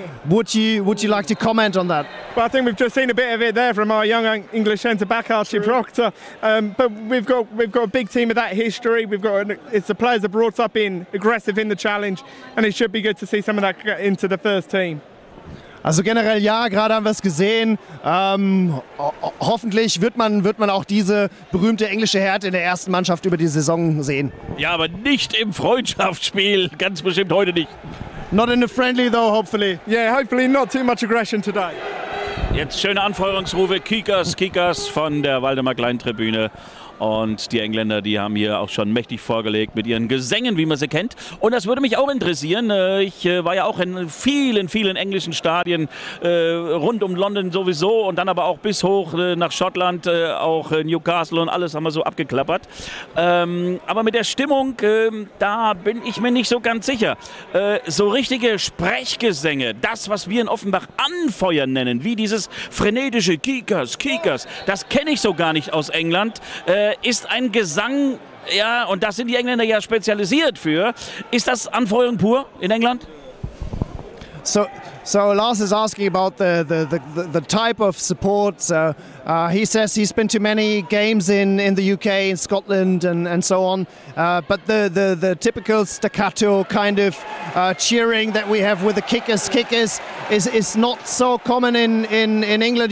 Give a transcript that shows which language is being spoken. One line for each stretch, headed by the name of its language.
English: Would you like to comment on that? Well, I think we've just seen a bit of it there from our young English centre back Archie True. Proctor. But we've got a big team with that history. It's the players are brought up in aggressive in the challenge, and it should be good to see some of that into the first team.
German: Also generell ja, gerade haben wir es gesehen. Hoffentlich wird man auch diese berühmte englische Härte in der ersten Mannschaft über die Saison sehen. Ja, aber nicht im Freundschaftsspiel. Ganz bestimmt heute nicht.
English: Not in a friendly though, hopefully. Yeah, hopefully not too much aggression today.
German: Jetzt schöne Anfeuerungsrufe. Kickers, Kickers von der Waldemar Kleintribüne. Und die Engländer, die haben hier auch schon mächtig vorgelegt mit ihren Gesängen, wie man sie kennt. Und das würde mich auch interessieren. Ich war ja auch in vielen, vielen englischen Stadien, rund um London sowieso und dann aber auch bis hoch nach Schottland, auch Newcastle und alles haben wir so abgeklappert. Aber mit der Stimmung, da bin ich mir nicht so ganz sicher. So richtige Sprechgesänge, das, was wir in Offenbach Anfeuern nennen, wie dieses frenetische Kickers, Kickers, das kenne ich so gar nicht aus England. Ist ein Gesang, ja, und das sind die Engländer ja spezialisiert für. Ist das Anfeuerung pur in England?
English: So Lars is asking about the type of support. So, he says he's been to many games in the UK, in Scotland and so on. But the typical staccato kind of cheering that we have with the kickers, kickers is not so common in England.